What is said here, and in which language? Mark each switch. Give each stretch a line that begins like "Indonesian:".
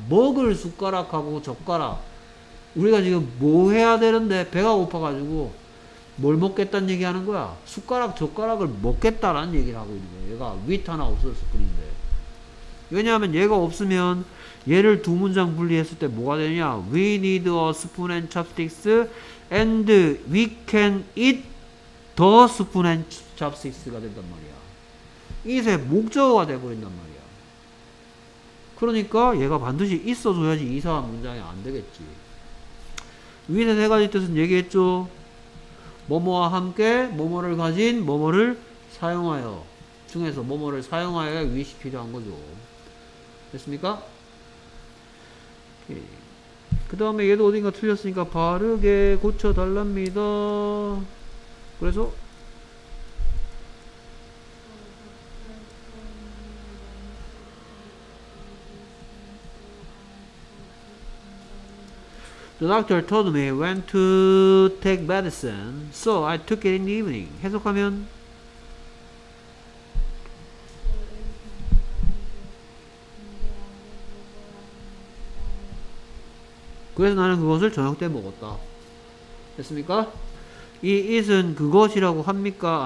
Korean: 먹을 숟가락하고 젓가락. 우리가 지금 뭐 해야 되는데 배가 고파가지고 뭘 먹겠다는 얘기하는 거야? 숟가락, 젓가락을 먹겠다라는 얘기를 하고 있는 거야. 얘가 with 하나 없었을 뿐인데. 왜냐하면 얘가 없으면 얘를 두 문장 분리했을 때 뭐가 되냐?
English: We need a spoon and chopsticks and we can eat the spoon and chopsticks
Korean: 가 된단 말이야. 이제 목적어가 돼버린단 말이야. 그러니까 얘가 반드시 있어줘야지 이상한 문장이 안 되겠지. 위에 세 가지 뜻은 얘기했죠. 뭐뭐와 함께 뭐뭐를 가진 뭐뭐를 사용하여 중에서 뭐뭐를 사용하여 위시 필요한 거죠. 됐습니까? 그 다음에 얘도 어딘가 틀렸으니까 바르게 고쳐달랍니다. 그래서
English: The doctor told me when to take medicine, so I took it in the evening.
Korean: 해석하면 그래서 나는 그것을 저녁 때 먹었다. 됐습니까? 이 it은 그것이라고 합니까?